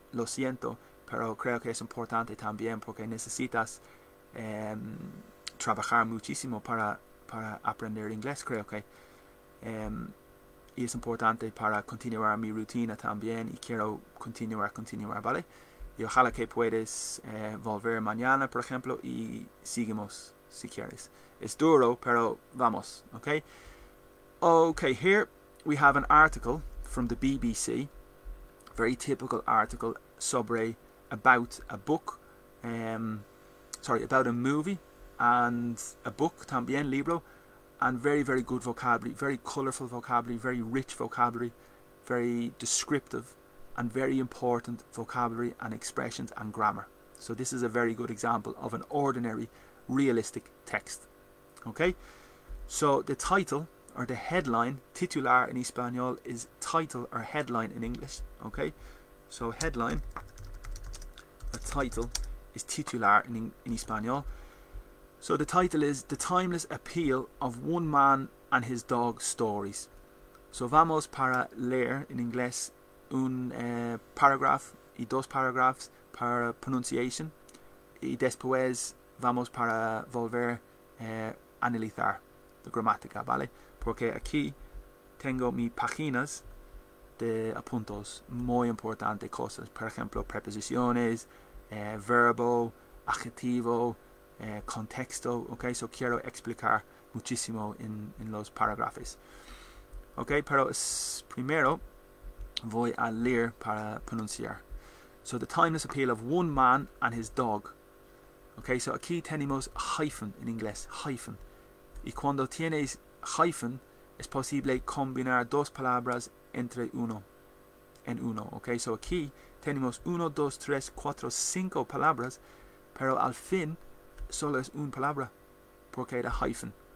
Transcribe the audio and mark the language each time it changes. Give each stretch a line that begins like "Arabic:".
Spanish: Lo siento, pero creo que es importante también porque necesitas trabajar muchísimo para aprender inglés, creo que y es importante para continuar mi rutina también, y quiero continuar, ¿vale? Y ojalá que puedes volver mañana, por ejemplo, y seguimos si quieres. Es duro, pero vamos, ¿ok?
English: Ok, here we have an article from the BBC, very typical article about a movie and a book también, libro. And very, very good vocabulary, very colourful vocabulary, very rich vocabulary, very descriptive and very important vocabulary and expressions and grammar. So this is a very good example of an ordinary, realistic text. Okay, so the title or the headline, titular in Espanol, is title or headline in English. Okay, so headline, a title, is titular in Espanol. So the title is The Timeless Appeal of One Man and His Dog Stories.
Spanish: So vamos para leer en inglés un paragraph y dos paragraphs para pronunciation. Y después vamos para volver analizar la gramática, ¿vale? Porque aquí tengo mi páginas de apuntos muy importantes cosas. Por ejemplo, preposiciones, verbo, adjetivo, contexto. Okay, so quiero explicar muchísimo en los paragrafes. Okay, pero primero voy a leer para pronunciar.
English: So the timeless appeal of one man and his dog.
Spanish: Okay, so aquí tenemos hyphen in inglés, hyphen. Y cuando tienes hyphen, es posible combinar dos palabras entre uno, en uno. Okay, so aquí tenemos uno, dos, tres, cuatro, cinco palabras, pero al fin solo es una palabra, porque era hyphen.